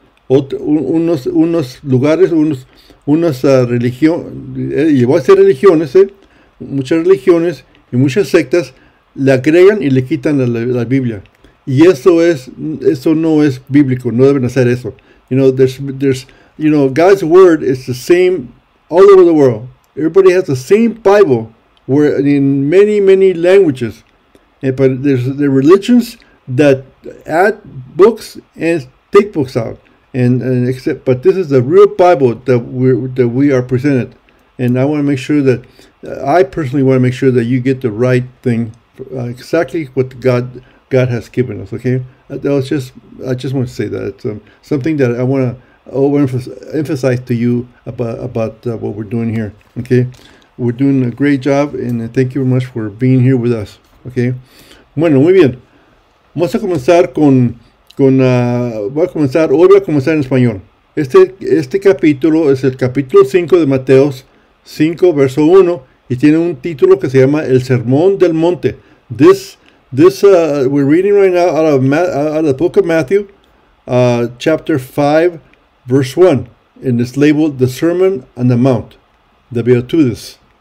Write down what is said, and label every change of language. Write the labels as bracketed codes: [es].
[es] Unos lugares, religiones, llegó a ser religiones, muchas religiones y muchas sectas le agregan y le quitan la Biblia. Y eso no es bíblico, no deben hacer eso. [en] God's word is the same all over the world. Everybody has the same Bible where in many, many languages. But there are religions that add books and take books out. Except, but this is the real Bible that we are presented. And I want to make sure that I personally want to make sure that you get the right thing, exactly what God has given us. Okay, I just want to say that it's something that I want to emphasize to you about what we're doing here. Okay, we're doing a great job, and thank you very much for being here with us. [es] Okay, bueno, muy bien. Vamos a comenzar voy a comenzar, hoy voy a comenzar en español. Este capítulo es el capítulo 5 de Mateos 5, verso 1, y tiene un título que se llama El Sermón del Monte. [en] We're reading right now out of the book of Matthew, chapter 5, verse 1, and it's labeled The Sermon on the Mount, the Beatitudes.